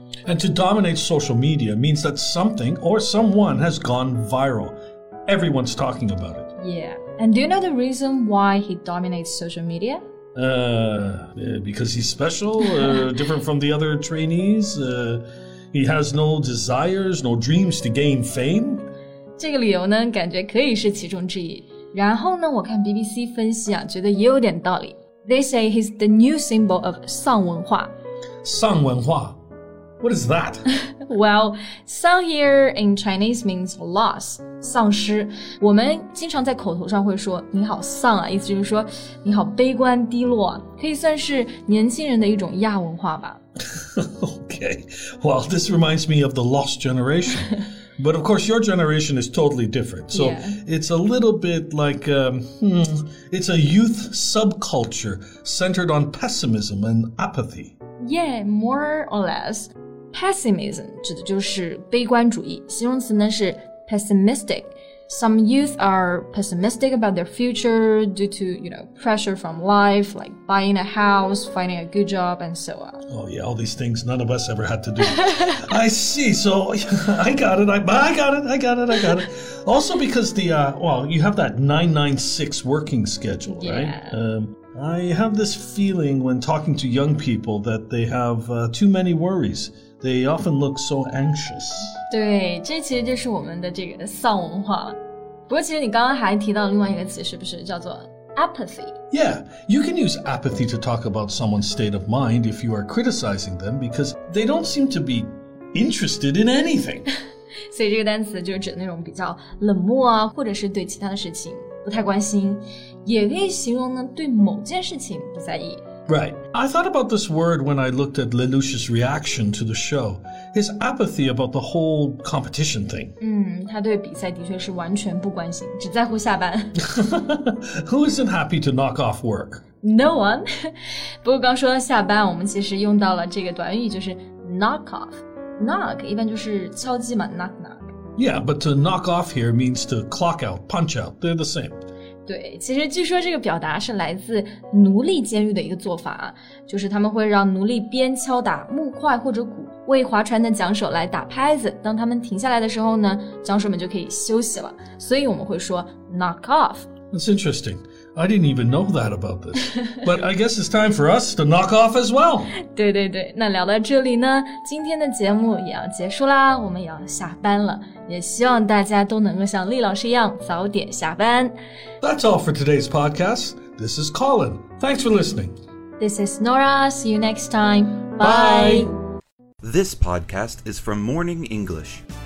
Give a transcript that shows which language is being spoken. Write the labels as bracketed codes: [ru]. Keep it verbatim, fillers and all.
[en] And to dominate social media means that something or someone has gone viral. Everyone's talking about it. Yeah. And do you know the reason why he dominates social media? Uh, because he's special, uh, different from the other trainees. Uh, he has no desires, no dreams to gain fame. [zh] 这个理由呢，感觉可以是其中之一。然后呢，我看 B B C 分析啊，觉得也有点道理。 [en] They say he's the new symbol of 丧文化。丧文化。What is that? Well, sang here in Chinese means loss, 丧失。 [zh] 我们经常在口头上会说你好丧啊，意思就是说你好悲观低落啊，可以算是年轻人的一种亚文化吧。 [en] Okay, well, this reminds me of the lost generation. But of course, your generation is totally different. So yeah. It's a little bit like, um, hmm, it's a youth subculture centered on pessimism and apathy. Yeah, more or less. [zh] Pessimism 指的就是悲观主义，形容词呢是 pessimistic. [en] Some youth are pessimistic about their future due to, you know, pressure from life, like buying a house, finding a good job, and so on. Oh yeah, all these things none of us ever had to do. I see. So I got it. I, I got it. I got it. I got it. Also because the uh, well, you have that nine nine six working schedule, yeah. right? Um, I have this feeling when talking to young people that they have uh, too many worries. They often look so anxious. [zh] 对，这其实就是我们的这个丧文化。不过其实你刚刚还提到另外一个词，是不是叫做 apathy? [en] Yeah, you can use apathy to talk about someone's state of mind if you are criticizing them because they don't seem to be interested in anything. [zh] 所以这个单词就是指那种比较冷漠啊，或者是对其他的事情不太关心，也可以形容呢对某件事情不在意。 [en] Right. I thought about this word when I looked at Lelouch's reaction to the show. His apathy about the whole competition thing. [zh] 嗯，他对比赛的确是完全不关心，只在乎下班。 [en] Who isn't happy to knock off work? No one. [zh] 不过刚说到下班，我们其实用到了这个短语，就是 knock off. Knock 一般就是敲击嘛 ， [en] knock knock. Yeah, but to knock off here means to clock out, punch out. They're the same. [zh] 对，其实据说这个表达是来自奴隶监狱的一个做法，就是他们会让奴隶边敲打木块或者鼓，为划船的桨手来打拍子。当他们停下来的时候呢，桨手们就可以休息了。所以我们会说 knock off. [en] That's interesting. I didn't even know that about this. But I guess it's time for us to knock off as well. [zh] 对对对，那聊到这里呢，今天的节目也要结束啦，我们也要下班了。也希望大家都能够像李老师一样早点下班。 [en] That's all for today's podcast. This is Colin. Thanks for listening. This is Nora. See you next time. Bye. Bye. This podcast is from Morning English.